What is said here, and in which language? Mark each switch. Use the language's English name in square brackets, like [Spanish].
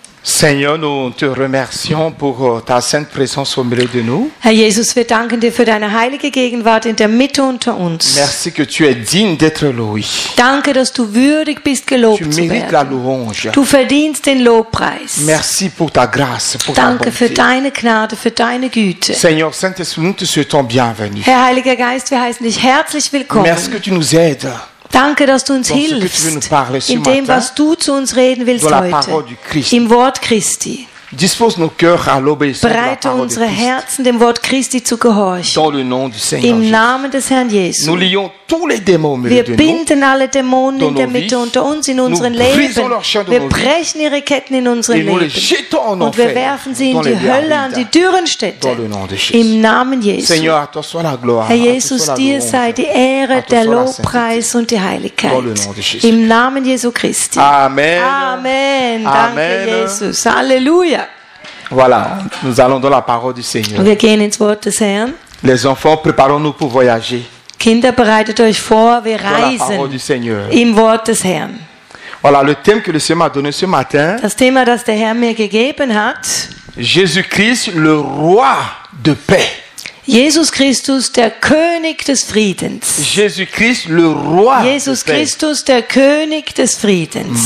[French] Seigneur, nous te remercions pour ta sainte présence au milieu de nous. [German] Herr Jesus, wir danken dir für deine heilige Gegenwart in der Mitte unter uns. [French] Merci que tu es digne d'être loué. [German] Danke, dass du würdig bist, gelobt [French] zu werden. Tu mérites la louange. [German] Du verdienst den Lobpreis. [French] Merci pour ta grâce, pour [German] ta bonté. Danke für deine Gnade, für deine Güte. [French] Seigneur, Saint-Esprit, nous te souhaitons bienvenue. [German] Herr Heiliger Geist, wir heißen dich herzlich willkommen. [French] Merci que tu nous aides. [German] Danke, dass du uns hilfst, in dem, was du zu uns reden willst heute, im Wort Christi. [French] Dispose nos cœurs à l'obéissance. [German] Bereite unsere Herzen dem Wort Christi zu gehorchen. [French] Dans le nom du Seigneur. [German] Im Namen des Herrn Jesus. [French] Nous lions tous les démons au milieu [German] wir binden alle Dämonen in der Mitte unter uns in unseren Leben. Wir brechen ihre Ketten in unseren Leben. Und wir werfen sie in die Hölle, an die dürren Städte. Im Namen Jesus. [French] Seigneur, à toi soit la gloire. [German] Herr Jesus, dir sei die Ehre, der Lobpreis und die Heiligkeit. Im Namen Jesu Christi. Amen. Amen. Danke, Jesus. Halleluja. [French] Voilà, nous allons dans la parole du Seigneur. [German] Wir gehen ins Wort des Herrn. [French] Les enfants, préparons-nous pour voyager. [German] Kinder, bereitet euch vor, wir reisen. [French] Dans la parole du Seigneur. [German] Im Wort des Herrn. [French] Voilà, le thème que le Seigneur m'a donné ce matin. [German] Das Thema, das der Herr mir gegeben hat. [French] Jésus-Christ, le roi de paix. [German] Jesus Christus, der König des Friedens. [French] Jesus Christ, le roi [German] Jesus Christus, der König des Friedens.